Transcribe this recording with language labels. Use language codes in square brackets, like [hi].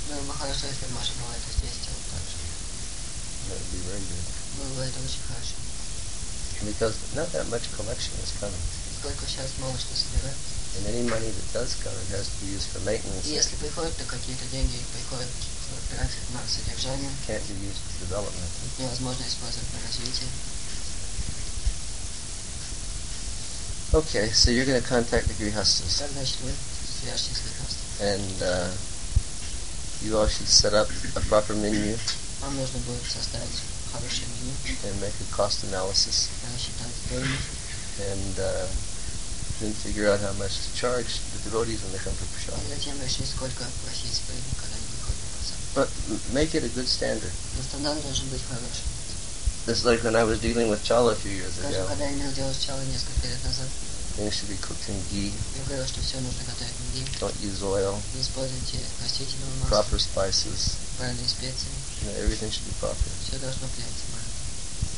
[ru] Ну, было бы хорошо, если бы Маша могла это здесь сделать так же. [en] That would be very good. [ru] Было бы это очень хорошо. [en] Because not that much collection is coming. [ru] Сколько сейчас мало что собирается. [en] And any money that does come, it has to be used for maintenance. [ru] Если приходят, то какие-то деньги приходят тратить на содержание. [en] Can't be used for development. [ru] Невозможно использовать на развитие. [en] Okay, so you're going to contact the Grihasthas. [ru] Так, значит, вы свяжетесь с Грихастхами. [en] And you all should set up a proper menu. [ru] Вам нужно будет составить хорошее меню. [en] And make a cost analysis. [ru] Считать стоимость. [en] And then figure out how much to charge the devotees when they come to Prasad. [ru] И затем решить, сколько просить своих, когда они приходят на Прасад. [en] But make it a good standard. [ru] Но стандарт должен быть хороший. [en] This is like when I was dealing with Chala a few years ago. [ru] Когда я имел дело с Чалой несколько лет назад. [en] Things should be cooked in ghee. [ru] Я говорил, что все нужно готовить в ghee. [en] Don't use oil. [ru] Не используйте растительное масло. [en] Proper spices. [ru] Правильные специи. [en] You know, everything should be proper. [ru] Все должно быть правильно.